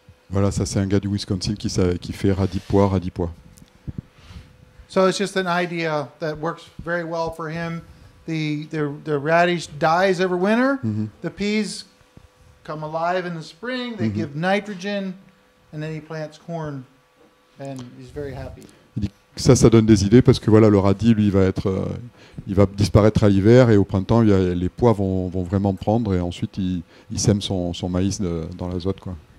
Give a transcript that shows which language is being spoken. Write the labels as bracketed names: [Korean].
[French] Voilà, ça, c'est un gars du Wisconsin qui fait radis, pois. [English] So it's just an idea that works very well for him. The radish dies every winter. Mm-hmm. The peas come alive in the spring. They mm-hmm. give nitrogen. And then he plants corn, and he's very happy. [French] Ça donne des idées parce que voilà, le radis, lui, il va disparaître à l'hiver et au printemps, les pois vont vraiment prendre et ensuite il sème son maïs dans l'azote, quoi.